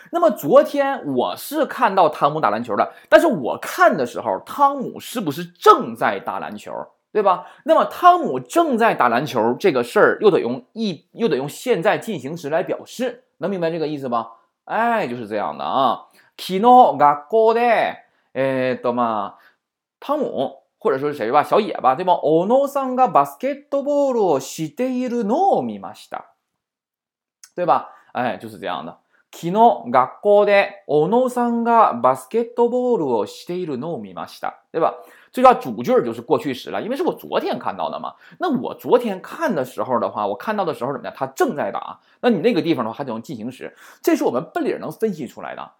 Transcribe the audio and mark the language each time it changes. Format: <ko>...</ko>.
<zh>那么昨天我是看到汤姆打篮球的，但是我看的时候汤姆是不是正在打篮球，对吧？那么汤姆正在打篮球这个事儿又得用现在进行时来表示，能明白这个意思吧？哎，就是这样的啊。</zh> <ja>昨日学校で</ja> <zh>汤姆或者说是谁吧，小野吧，对吧？</zh> <ja>小野さんがバスケットボールをしているのを見ました，</ja> <zh>对吧？哎，就是这样的。</zh> <ja>昨日学校で小野さんがバスケットボールをしているのを見ました，</ja> <zh>对吧？这叫主句就是过去时了，因为是我昨天看到的嘛。那我昨天看的时候的话，我看到的时候怎么样？他正在打。那你那个地方的话，还得用进行时。这是我们笨理能分析出来的。</zh>